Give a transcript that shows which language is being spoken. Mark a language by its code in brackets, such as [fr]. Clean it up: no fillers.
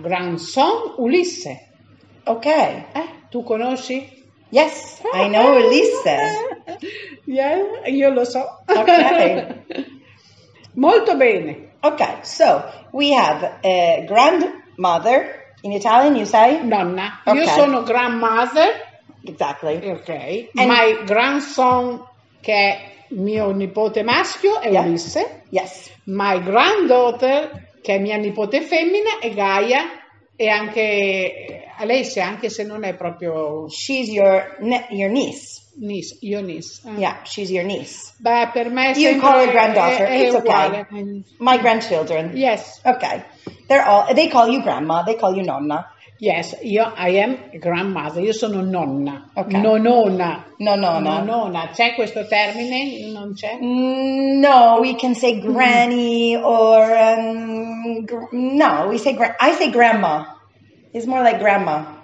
[en] Grandson, Ulisse. Okay. [it] Tu conosci? [en] Yes, I know Ulisse. [it] Yeah, io lo so. [en] Okay. [it] Molto bene. [en] Okay, so we have a grandmother. In Italian you say? [it] Nonna. Okay. Io sono grandmother. [en] Exactly. Okay. And my grandson, [it] che è mio nipote maschio, è Ulisse. [en] Yes. My granddaughter, [it] che è mia nipote femmina, è Gaia. E anche Alessia, anche se non è proprio... [en] She's your niece. Niece, your niece. Yeah, she's your niece. [it] Beh, per me... [en] You call her granddaughter, [it] è [en] it's [it] uguale. [en] Okay. My grandchildren. Yes. Okay. They're all... They call you grandma, they call you nonna. Yes, I am grandmother, [it] io sono nonna. [en] Okay. Nonona. Nonona. [it] Nonona. C'è questo termine? Non c'è? [en] No, we can say granny or... no, we say... I say grandma. It's more like grandma.